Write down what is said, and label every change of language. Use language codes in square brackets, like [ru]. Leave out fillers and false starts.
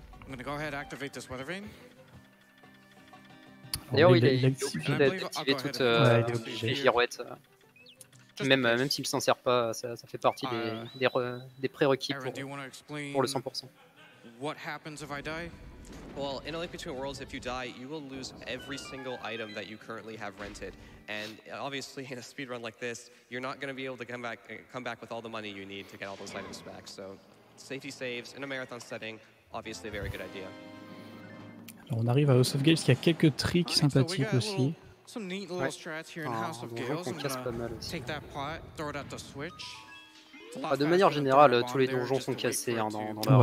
[fr] D'ailleurs, il est obligé d'activer toutes les girouettes. Même s'il ne s'en sert pas, ça fait partie des prérequis pour le 100%. [en] What happens if I die? Well, in A Link Between Worlds, if you die, you will lose every single item that you currently have rented. And obviously, in a speedrun like this, you're not going to be able to come back with all the money you need to get all those items back. So, safety saves in a marathon setting, obviously a very good idea. [fr] Alors on arrive à House of Gales, qui a quelques tricks sympathiques aussi. [en] Some neat little strats here in House of Gales. Take that pot, throw it at the switch. [fr] Bah, de manière générale, tous les donjons sont cassés hein, dans